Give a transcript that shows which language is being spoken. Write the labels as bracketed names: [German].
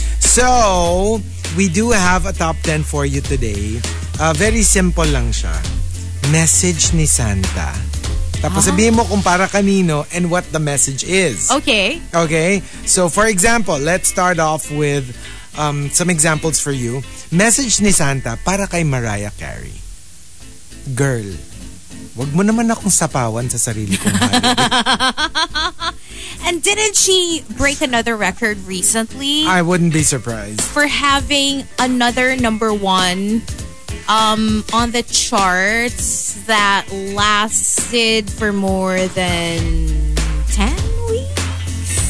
[English] So, we do have a top 10 for you today. [Filipino] Very simple lang siya. Message ni Santa. Tapos sabihin mo kung para kanino [English] and what the message is. Okay. So, for example, let's start off with some examples for you. [Filipino] Message ni Santa para kay Mariah Carey. Girl, wag mo naman akong sapawan sa sarili kong hari. [English] And didn't she break another record recently? I wouldn't be surprised. For having another number one on the charts that lasted for more than 10 weeks?